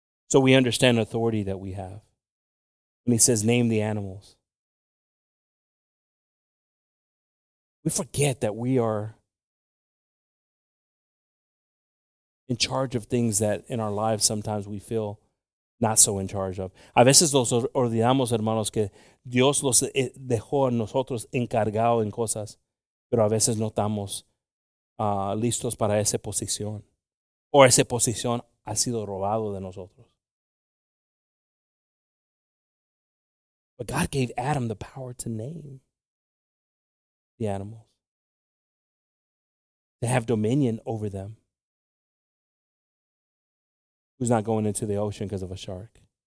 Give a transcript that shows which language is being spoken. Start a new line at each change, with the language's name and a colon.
English: So we understand authority that we have. And he says, name the animals. We forget that we are in charge of things that in our lives sometimes we feel not so in charge of.
Spanish: A veces los olvidamos, hermanos, que Dios los dejó a nosotros encargados en cosas, pero a veces no estamos listos para esa posición. O esa posición ha sido robado de nosotros.
English: But God gave Adam the power to name the animals, to have dominion over them. Who's not going into the ocean because of a shark?